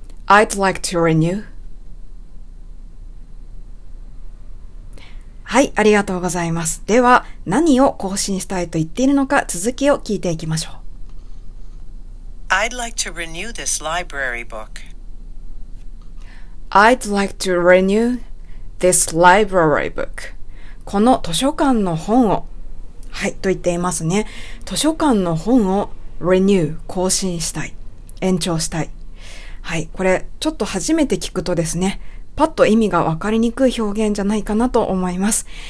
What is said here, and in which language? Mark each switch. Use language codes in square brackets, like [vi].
[en] I'd like to renew. [ja] はい、ありがとうございます。では、何を更新したいと言っているのか続きを聞いていきましょう。 [en] I'd like to renew this library book. I'd like to renew this library book. [ja] この図書館の本を、はい、と言っていますね。図書館の本を renew、更新したい、延長したい。はい、これちょっと初めて聞くとですね、パッと意味が分かりにくい表現じゃないかなと思います。